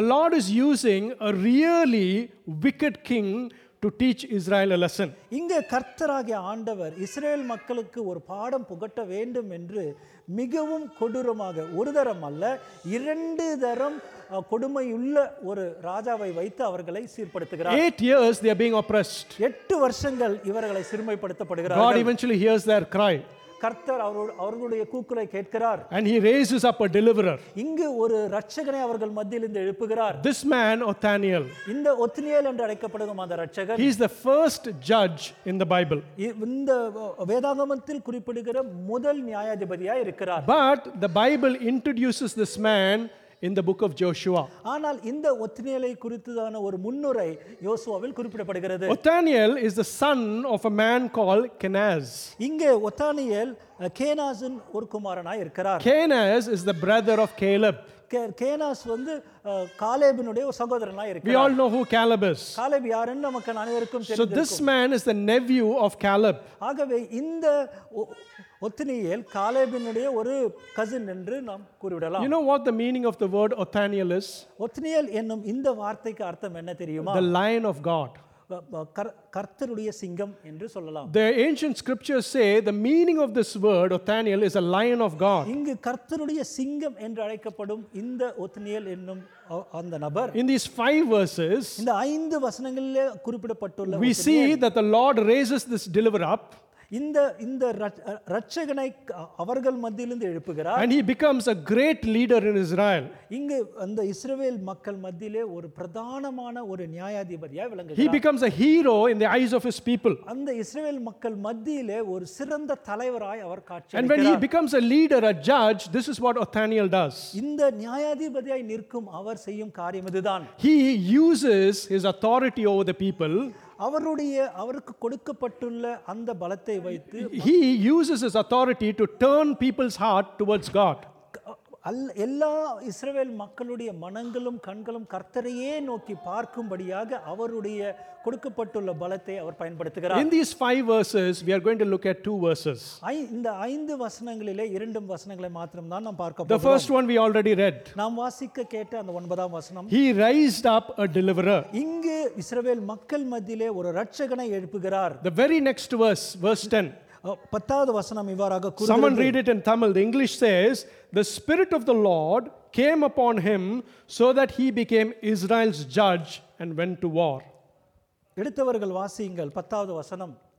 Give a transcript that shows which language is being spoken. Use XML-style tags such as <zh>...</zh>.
<en>The Lord is using a really wicked king to teach Israel a lesson</en> <ta>இங்க கர்த்தராகிய ஆண்டவர் இஸ்ரவேல் மக்களுக்கு ஒரு பாடம் புகட்ட வேண்டும் என்று மிகவும் கொடூரமாக ஒரு தரம் அல்ல இரண்டு தரம் கொடுமையுள்ள ஒரு ராஜாவை வைத்து அவர்களை சீர்படுத்துகிறார்</ta> <en>8 years they are being oppressed</en> <ta>8 வருஷங்கள் இவர்களை சிறுமைப்படுத்தப்படுகிறார்கள்</ta> <en>God eventually hears their cry</en> <ta>கர்த்தர் அவர்களுடைய கூக்குரலை கேட்கிறார்</ta> <en>and he raises up a deliverer</en> <ta>இங்கு ஒரு இரட்சகனை அவர்கள் மத்தியிலிருந்து எழுப்புகிறார்</ta> <en>this man Othniel</en> <ta>இந்த ஒத்னியேல் என்று அழைக்கப்படும் அந்த இரட்சகன்</ta> <en>he is the first judge in the bible</en> <ta>இந்த வேதாகமத்தில் குறிப்பிடுகிற முதல் நியாயாதிபதியாய் இருக்கிறார்</ta> <en>but the bible introduces this man in the book of Joshua</en> <ta>ஆனால் இந்த ஒத்னியேலை குறித்ததான ஒரு முன்னுரை யோசுவாவில் குறிப்பிடப்படுகிறது</ta> <en>Othniel is the son of a man called Kenaz</en> <ta>இங்கே ஒத்னியேல் கேனாஸின் ஒரு குமாரனாய் இருக்கிறார்</ta> <en>Kenaz is the brother of Caleb</en> <ta>கேனாஸ் வந்து காலேபினுடைய சகோதரனா இருக்கிறார்.</ta> <en>We all know who Caleb is.</en> <ta>Caleb யாருன்னு நமக்கு அனைவருக்கும் தெரியும்.</ta> <en>So this man is the nephew of Caleb.</en> <ta>ஆகவே இந்த ஒத்னியேல் காலேபினுடைய ஒரு கசின் என்று நாம் கூறிவிடலாம்.</ta> <en>You know what the meaning of the word Othniel is?</en> <ta>Othniel என்னும் இந்த வார்த்தைக்கு அர்த்தம் என்ன தெரியுமா?</ta> <en>The lion of God.</en> <ta>கர்த்தருடைய சிங்கம் என்று சொல்லலாம்.</ta> <en>The ancient scriptures say the meaning of this word Othniel is a lion of God.</en> <ta>இங்கு கர்த்தருடைய சிங்கம் என்று அழைக்கப்படும் இந்த ஒத்னியேல் என்னும் அந்த நபர்</ta> <en>in these 5 verses</en> <ta>இந்த 5 வசனங்களிலே குறிப்பிடப்பட்டுள்ள</ta> <en>we see that the Lord raises this deliverer up</en> <ta>இந்த இரட்சகனை அவர்கள் மத்தியிலிருந்து எழுப்புகிறார்.</ta> <en>And he becomes a great leader in Israel.</en> <ta>இங்க அந்த இஸ்ரவேல் மக்கள் மத்தியிலே ஒரு பிரதானமான ஒரு நியாயாதிபதியாக விளங்குகிறார்.</ta> <en>He becomes a hero in the eyes of his people.</en> <ta>அந்த இஸ்ரவேல் மக்கள் மத்தியிலே ஒரு சிறந்த தலைவராய் அவர் காட்சி அளிக்கிறார்.</ta> <en>And when he becomes a leader, a judge, this is what Othniel does.</en> <ta>இந்த நியாயாதிபதியாய் நிற்கும் அவர் செய்யும் காரியம் இதுதான்.</ta> <en>He uses his authority over the people.</en> <ta>அவருடைய அவருக்கு கொடுக்கப்பட்டுள்ள அந்த பலத்தை வைத்து</ta> <en>he uses his authority to turn people's heart towards God.</en> <ta>எல்லா இஸ்ரவேல் மக்களுடைய மனங்களும் கண்களும் கர்த்தரையே நோக்கி பார்க்கும்படியாக அவருடைய கொடுக்கப்பட்டுள்ள பலத்தை அவர் பயன்படுத்துகிறார்.</ta> <en>In these 5 verses we are going to look at 2 verses.</en> <ta>இந்த 5 வசனங்களிலே இரண்டு வசனங்களை மட்டும் தான் நாம் பார்க்க போகிறோம்.</ta> <en>The first one we already read.</en> <ta>நாம் வாசிக்க கேட்ட அந்த 9th வசனம்</ta> <en>He raised up a deliverer.</en> <ta>இங்கு இஸ்ரவேல் மக்கள் மத்தியிலே ஒரு இரட்சகனை எழுப்புகிறார்.</ta> <en>The very next verse, verse 10.</en> <ta>பத்தாவது வசனம் இவ்வாறாக கூறுகிறது.</ta> <en>Someone read it in Tamil. The English says the spirit of the Lord came upon him so that he became Israel's judge and went to war.</en> <ta>எடுத்தவர்கள் வாசியுங்கள் 10th வசனம்.</ta>